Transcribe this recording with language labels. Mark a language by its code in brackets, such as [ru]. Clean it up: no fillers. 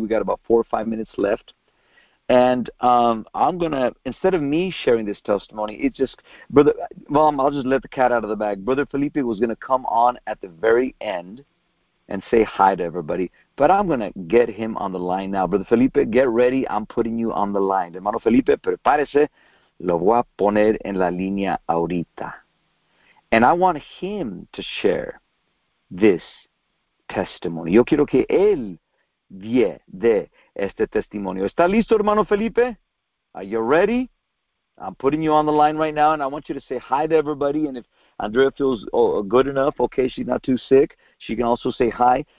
[en] We got about 4 or 5 minutes left. And I'm going to, instead of me sharing this testimony, it just, Brother, Mom, I'll just let the cat out of the bag. Brother Felipe was going to come on at the very end and say hi to everybody. But I'm going to get him on the line now. Brother Felipe, get ready. I'm putting you on the line. [es] Hermano Felipe, prepárese. Lo voy a poner en la línea ahorita. [en] And I want him to share this testimony. [es] Yo quiero que él dé este testimonio. ¿Está listo, hermano Felipe? [en] Are you ready? I'm putting you on the line right now, and I want you to say hi to everybody. And if Andrea feels good enough, okay, she's not too sick, she can also say hi.